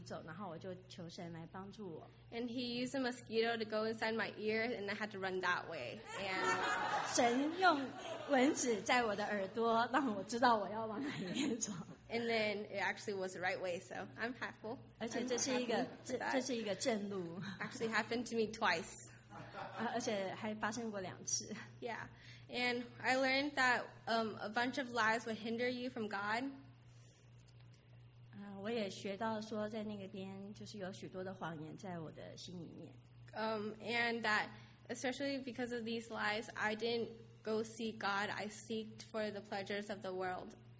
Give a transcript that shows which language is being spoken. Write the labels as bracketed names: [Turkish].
[Chinese] 那边有两条路，然后我实在就不知道到底要往哪里走，然后我就求神来帮助我。 [English] And he used a mosquito to go inside my ear, and I had to run that way. And [Chinese] 神用蚊子在我的耳朵，让我知道我要往哪里走。 [English] And then it actually was the right way, so I'm thankful. [Chinese] 而且这是一个正路。 [English] Actually happened to me twice. [Chinese] 而且还发生过两次。 [English] Yeah. And I learned that a bunch of lies would hinder you from God. [Chinese] 我也学到说在那个边就是有许多的谎言在我的心里面。 [English] And that especially because of these lies, I didn't go seek God. I seeked for the pleasures of the world.